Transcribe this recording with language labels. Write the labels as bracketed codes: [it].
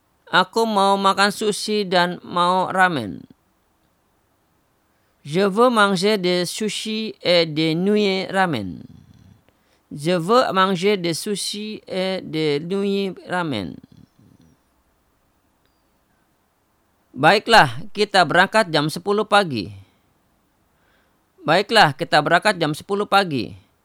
[id] Aku mau makan sushi dan mau ramen. [fr] Je veux manger des sushis et des nouilles ramen. Je veux manger des sushis et des nouilles ramen. [id] Baiklah, kita berangkat jam 10 pagi. Baiklah, kita berangkat jam 10 pagi.